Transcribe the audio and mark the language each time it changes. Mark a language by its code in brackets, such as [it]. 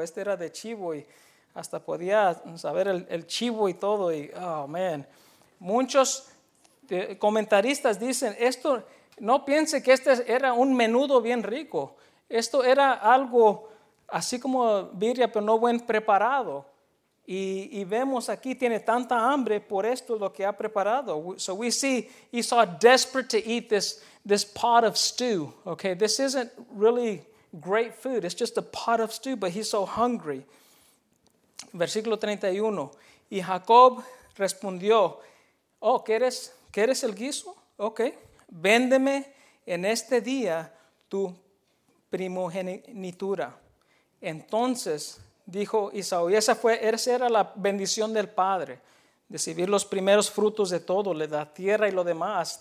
[es] Este era de chivo y hasta podía saber el chivo y todo. Y, [en] oh, man, [es] muchos comentaristas dicen, esto No piense que este era un menudo bien rico. Esto era algo así como birria, pero no buen preparado. Y vemos aquí tiene tanta hambre por esto lo que ha preparado. [en] So we see he saw desperate to eat this pot of stew. Okay, this isn't really great food. It's just a pot of stew, but he's so hungry. [es] Versículo 31. Y Jacob respondió, oh, ¿quieres el guiso? Okay, véndeme en este día tu primogenitura. Entonces dijo Esaú, y esa era la bendición del padre, recibir los primeros frutos de todo, le da tierra y lo demás.